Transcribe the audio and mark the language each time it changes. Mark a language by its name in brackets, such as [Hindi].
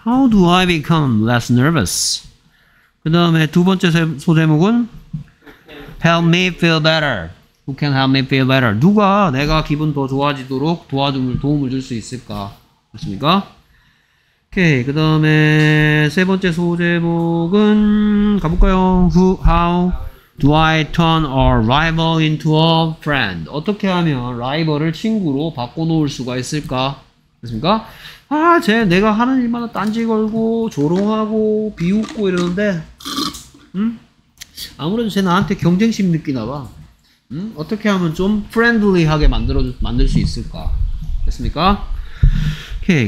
[English] How do I become less nervous? [Korean] 그 다음에 두 번째 소제목은 [English] Help me feel better. Who can help me feel better? [Korean] 누가 내가 기분 더 좋아지도록 도움을 줄 수 있을까? 됐습니까? 오케이. 그 다음에 세 번째 소제목은 가볼까요? [English] Who, how do I turn a rival into a friend? [Korean] 어떻게 하면 라이벌을 친구로 바꿔놓을 수가 있을까? 됐습니까? 아, 쟤 내가 하는 일마다 딴지 걸고 조롱하고 비웃고 이러는데 아무래도 쟤 나한테 경쟁심 느끼나 봐. 어떻게 하면 좀 프렌들리하게 만들 수 있을까? 됐습니까? 오케이.